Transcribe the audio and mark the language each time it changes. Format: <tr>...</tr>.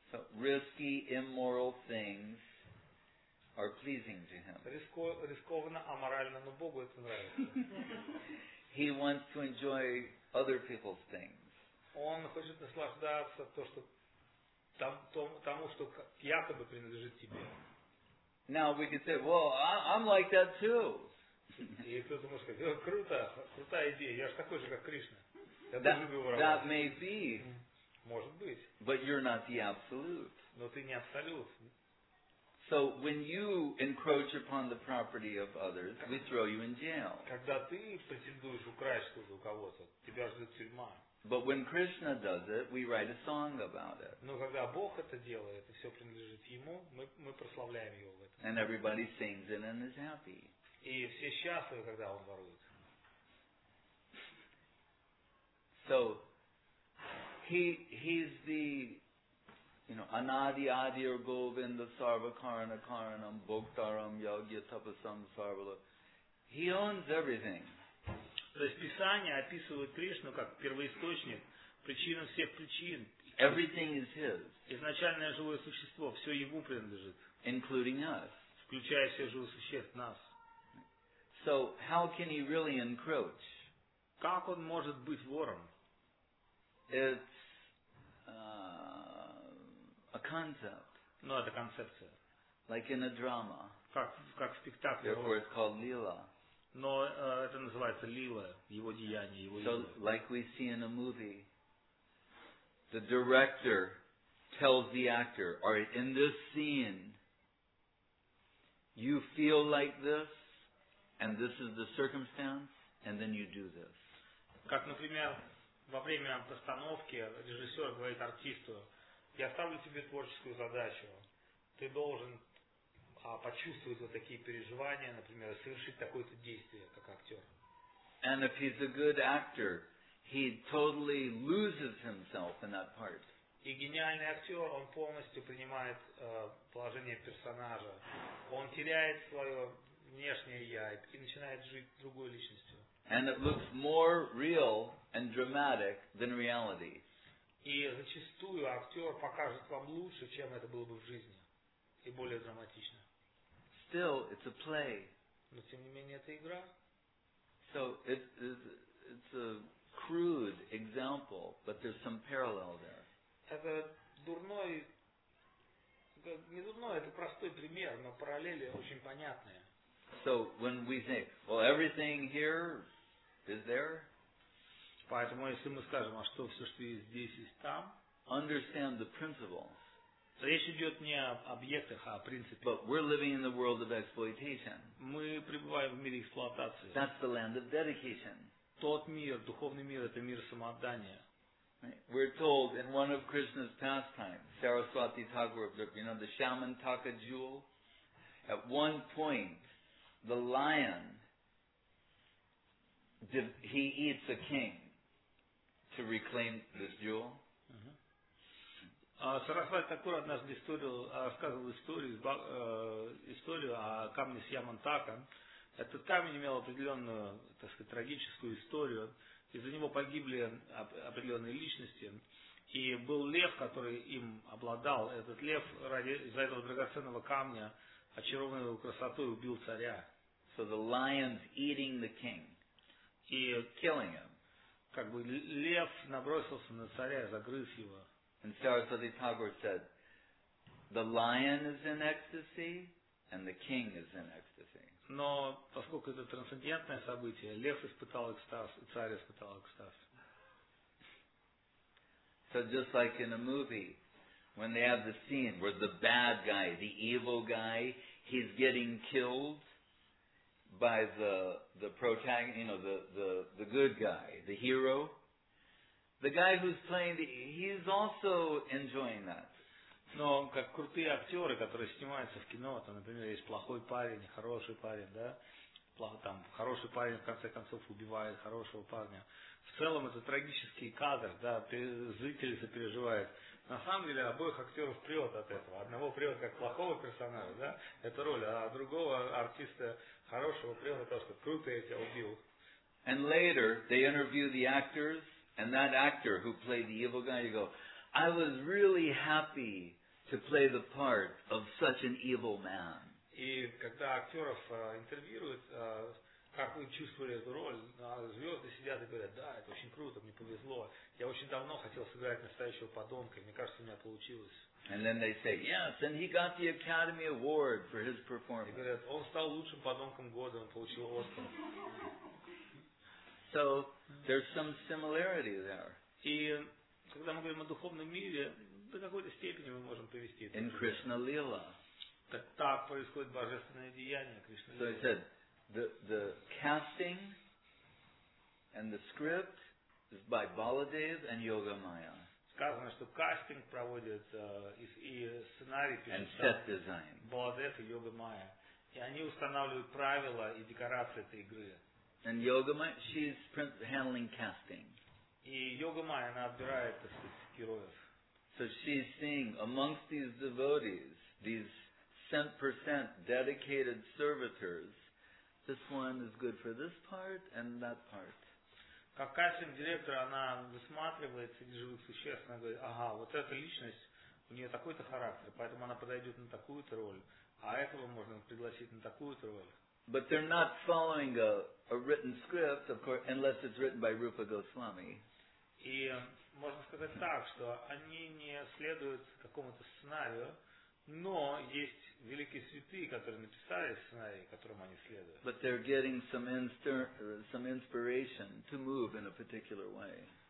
<en>So risky, immoral things are pleasing to him.</en> <ru>Рискованно, аморально, но Богу это нравится.</ru> <en>He wants to enjoy other people's things.</en> <ru>Он хочет наслаждаться то, что тому, что якобы принадлежит тебе.</ru> <en>Now we could say, well, I'm like that too.</en> <ru>И кто-то может сказать, круто, крутая идея, я же такой же, как Кришна.</ru> <en>That may be.</en> <ru>Может быть.</ru> <en>But you're not the absolute.</en> <ru>Но ты не абсолют.</ru> <en>So when you encroach upon the property of others, we throw you in jail.</en> <ru>Когда ты претендуешь украсть что-то у кого-то, тебя ждет тюрьма.</ru> <en>But when Krishna does it, we write a song about it.</en> <ru>Но когда Бог это делает, и все принадлежит ему, мы прославляем его в этом.</ru> <en>And everybody sings it and is happy.</en> <ru>И все счастливы, когда он ворует.</ru> <en>So he's the, you know,</en> <sa>anadi adir govinda sarva karana karanam bhoktaram yogya tapasam sarvala.</sa> <en>He owns everything.</en> <ru>То есть Писание описывает Кришну как первоисточник, причину всех причин.</ru> <en>Everything is his.</en> <ru>Изначальное живое существо, все ему принадлежит.</ru> <en>Including us.</en> <ru>Включая все живые существа, нас.</ru> <en>So how can he really encroach?</en> <ru>Как он может быть вором?</ru> <en>It's a concept.</en> <ru>Ну, это концепция.</ru> <en>Like in a drama.</en> <ru>Как в спектакле.</ru> <en>Therefore it's called Lila.</en> <ru>Но это называется лила, его деяние, его имя.</ru> <en>So, like we see in a movie, the director tells the actor, all right, in this scene, you feel like this, and this is the circumstance, and then you do this.</en> <ru>Как, например, во время постановки режиссер говорит артисту, я ставлю тебе творческую задачу, ты должен почувствовать вот такие переживания, например, совершить такое-то действие, как актер.</ru> <en>And if he's a good actor, he totally loses himself in that part.</en> <ru>И гениальный актер, он полностью принимает положение персонажа. Он теряет свое внешнее я и начинает жить другой личностью.</ru> <en>And it looks more real and dramatic than reality.</en> <ru>И зачастую актер покажет вам лучше, чем это было бы в жизни, и более драматично.</ru> <en>Still, it's a play.</en> <ru>Но тем не менее это игра.</ru> <en>So it's a crude example, but there's some parallel there.</en> <ru>Это дурной, не дурной, это простой пример, но параллели очень понятные.</ru> <en>So when we think, well, everything here is there.</en> <ru>Поэтому если мы скажем, а что все, что есть здесь, есть там.</ru> <en>Understand the principles.</en> <ru>Речь идет не об объектах, а о принципе.</ru> <en>But we're living in the world of exploitation.</en> <ru>Мы пребываем в мире эксплуатации.</ru> <en>That's the land of dedication.</en> <ru>Тот мир, духовный мир, это мир самоотдания.</ru> <en>We're told in one of Krishna's pastimes, Saraswati Thakur, you know, the shaman Taka jewel. At one point, the lion, he eats a king to reclaim this jewel.</en> <ru>Сарасвати Такур однажды рассказывал историю о камне с Ямантакан. Этот камень имел определенную, так сказать, трагическую историю. Из-за него погибли определенные личности. И был лев, который им обладал. Этот лев из-за этого драгоценного камня, очарованный его красотой, убил царя.</ru> <en>So the lion's eating the king.</en> <ru>И</ru> <en>killing him.</en> <ru>Как бы лев набросился на царя, загрыз его.</ru> <en>And Saraswati Thakur said, the lion is in ecstasy, and the king is in ecstasy.</en> <ru>Но поскольку это трансцендентное событие, лев испытал экстаз, и царь испытал экстаз.</ru> <en>So just like in a movie, when they have the scene where the bad guy, the evil guy, he's getting killed by the protagonist, you know, the good guy, the hero. The guy who's playing, he's also enjoying that.</en> <ru>Но как крутые актеры, которые снимаются в кино, там, например, есть плохой парень, хороший парень, да, там хороший парень в конце концов убивает хорошего парня. В целом это трагический кадр, да, зрители сопереживают. На самом деле обоих актеров прет от этого. Одного прет как плохого персонажа, да, это роль, а другого артиста хорошего прет от того, что круто я тебя убил.</ru> <en>And later they interview the actors. And that actor who played the evil guy, you go, I was really happy to play the part of such an evil man.</en> <ru>И когда актеров интервьюируют, как вы чувствовали эту роль, звезды сидят и говорят, да, это очень круто, мне повезло. Я очень давно хотел сыграть настоящего подонка, мне кажется, у меня получилось.</ru> <en>And then they say, yes, and he got the Academy Award for his performance.</en> <ru>И говорят, он стал лучшим подонком года, он получил Оскар.</ru> <en>So there's some similarity there.</en> <ru>И когда мы говорим о духовном мире, до какой-то степени мы можем повести.</ru> <en>In Krishna Lila.</en> <ru>Так происходит божественное деяние Кришна Лила.</ru> <en>So I said the casting and the script is by Baladev and Yogamaya.</en> <ru>Сказано, что кастинг проводит и сценарий пишет.</ru> <en>And set design.</en> <ru>Баладев и Йогамая. И они устанавливают правила и декорации этой игры.</ru> <en>And Yogamaya, she's handling casting.</en> <ru>И Йогамая, она отбирает, так сказать, героев.</ru> <en>So she's seeing amongst these devotees, these 100% dedicated servitors, this one is good for this part and that part.</en> <ru>Как кастинг-директор, она высматривает среди живых существ, она говорит, ага, вот эта личность, у нее такой-то характер, поэтому она подойдет на такую-то роль, а этого можно пригласить на такую-то роль.</ru> <en>But they're not following a written script, of course, unless it's written by Rupa Goswami.</en> <ru>И можно сказать так, что они не следуют какому-то сценарию, но есть великие святые, которые написали сценарий, которому они следуют.</ru> <en>But they're getting some inspiration to move in a particular way.</en>